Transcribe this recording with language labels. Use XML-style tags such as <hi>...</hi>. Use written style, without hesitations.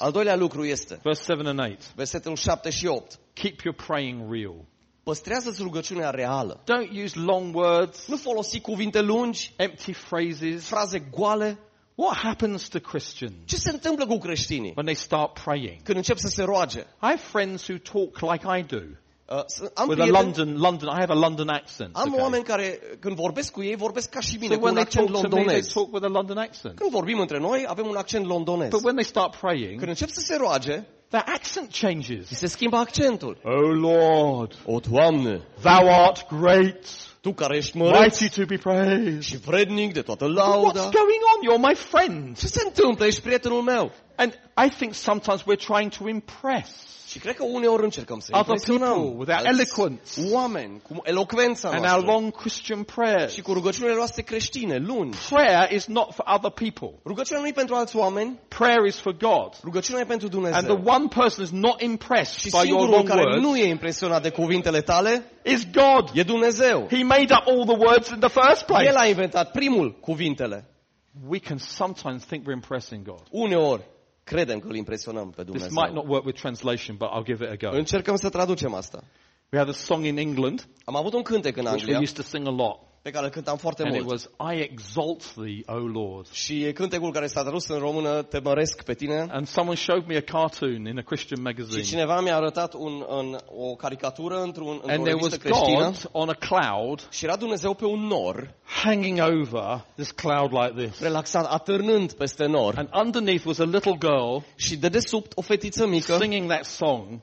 <ro>Al doilea lucru este.</ro> <en>Verse 7 and 8.</en> <ro>Versetul 7 și 8.</ro> <en>Keep your praying real.</en> <ro>Păstrează-ți rugăciunea reală.</ro> <en>Don't use long words.</en> <ro>Nu folosi cuvinte lungi.</ro> <en>Empty phrases.</en> <ro>Fraze goale.</ro> <en>What happens to Christians?</en> <ro>Ce se întâmplă cu creștinii?</ro> <en>When they start praying.</en> <ro>Când încep să se roage.</ro> <en>I have friends who talk like I do. I have a London accent.</en> <ro>Am oameni care când vorbesc cu ei vorbesc ca și mine, cu un accent londonez.</ro> <en>They talk with a London accent.</en> <ro>Când vorbim între noi avem un accent londonez.</ro> <en>But when they start praying.</en> <ro>Când încep să se roage.</ro> <en>The accent changes.</en> <ro>Se schimbă accentul.</ro> <en>O Lord.</en> <ro>O Doamne.</ro> <en>Thou art great.</en> <ro>Tu care ești măreț.</ro> <en>Mighty to be praised.</en> <ro>Și vrednic de toată lauda.</ro> <en>What's going on? You're my friend.</en> <ro>Ce se întâmplă? Ești prietenul meu.</ro> <en>And I think sometimes we're trying to impress.</en> <ro>Și cred că uneori încercăm să impresionăm oameni cu elocvența</ro> <en>and</en> <ro>noastră</ro> <en>our long Christian prayers.</en> <ro>Și cu rugăciunile noastre creștine, lungi.</ro> <en>Prayer is not for other people.</en> <ro>Rugăciunea nu e pentru alți oameni.</ro> <en>Prayer is for God.</en> <ro>Rugăciunea e pentru Dumnezeu.</ro> <en>And the one person is not impressed</en> <ro>și</ro> <en>by your long</en> <ro>care</ro> <en>words</en> <ro>nu e impresionat de cuvintele tale</ro> <en>is God.</en> <ro>E Dumnezeu.</ro> <en>He made up all the words in the first place.</en> <ro>El a inventat primul cuvintele.</ro> <en>We can sometimes think we're impressing God.</en> <ro>Uneori credem că îl impresionăm pe Dumnezeu.</ro> <en>This might not work with translation, but I'll give it a go.</en> <ro>Încercăm să traducem asta.</ro> <en>We had a song in England.</en> <ro>Am avut un cântec în Anglia.</ro> <en>We used to sing a lot.</en> <ro>Pe care îl cântam foarte</ro> <en>and</en> <ro>mult.</ro> <en>It was I exalt thee, O Lord.</en> <ro>Și cântecul care s-a tradus în română, te măresc pe tine.</ro> <en>And someone showed me a cartoon in a Christian magazine.</en> <ro>Și cineva mi-a arătat o caricatură într-o revistă creștină.</ro> <en>And there was God on a cloud.</en> <ro>Și era Dumnezeu pe un nor.</ro> <en>Hanging over this cloud like this.</en> <ro>Relaxat, atârnând peste nor.</ro> <en>And underneath was a little girl.</en> <ro>Și dedesubt o fetiță mică.</ro> <en>Singing that song.</en>